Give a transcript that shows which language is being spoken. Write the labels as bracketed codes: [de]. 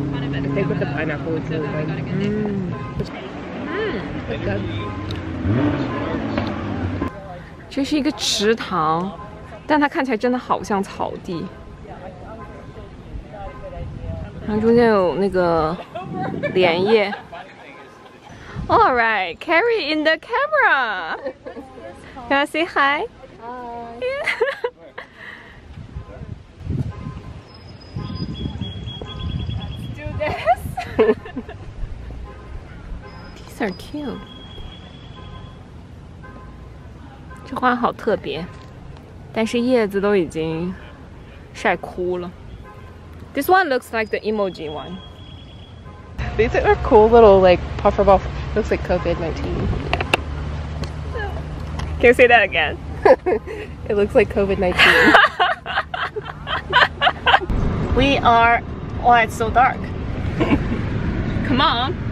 [en] I think with the pineapple it's really good. Good. [zh] 这是一个池塘，但它看起来真的好像草地。然后中间有那个莲叶。 [en] All right, Carrie in the camera. Can I say hi? Hi. These are cute. [zh] 这花好特别，但是叶子都已经晒枯了。 [en] This one looks like the emoji one. These are cool little like pufferball. Looks like COVID-19. Can you say that again? It looks like COVID-19. We are. Why it's so dark? Come on,